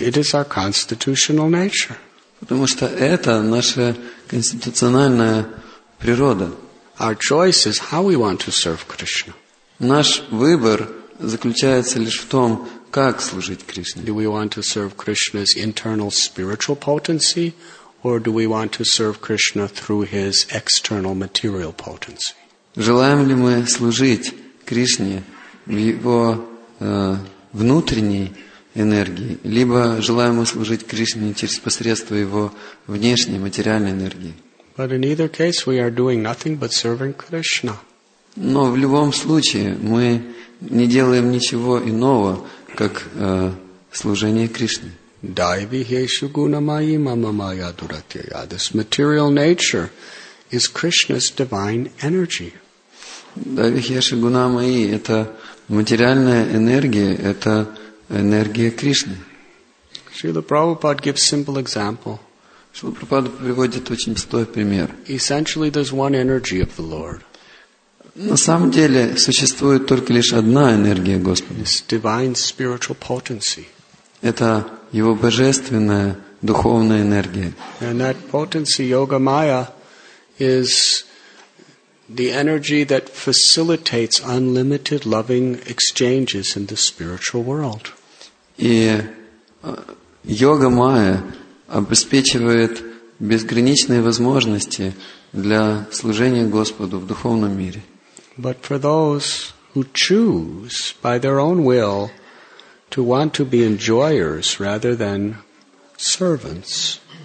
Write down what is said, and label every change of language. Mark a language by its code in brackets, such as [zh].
[en] It is our constitutional nature. [ru] Потому что это наша конституциональная природа. [en] Our choice is how we want to serve Krishna. [ru] Наш выбор заключается лишь в том, как служить Кришне. [en] Do we want to serve Krishna's internal spiritual potency, or do we want to serve Krishna through his external material potency? [ru] Желаем ли мы служить Кришне в его внутренней энергии, либо желаем мы служить Кришне через посредство его внешней материальной энергии? [en] But in either case, we are doing nothing but serving Krishna. [ru] Но в любом случае мы не делаем ничего иного, как служение Кришне. [sa] Дайви хешу гунамайи мама майя дуратия. [en] This material nature is Krishna's divine energy. [sa] Давихеши гуна мои [ru] – это материальная энергия, это энергия Кришны. [en] Шрила Прабхупад gives simple example. [ru] Шрила Прабхупад приводит очень простой пример. [en] Essentially, there's one energy of the Lord. [ru] На самом деле существует только лишь одна энергия Господа. [en] It's divine spiritual potency. [ru] Это Его божественная духовная энергия. [en] And that potency, Yoga Maya, is the energy that facilitates unlimited loving exchanges in the spiritual world. [ru] И Йога Майя обеспечивает безграничные возможности для служения Господу в духовном мире. [en] But for those who choose by their own will to want to be enjoyers rather than servants.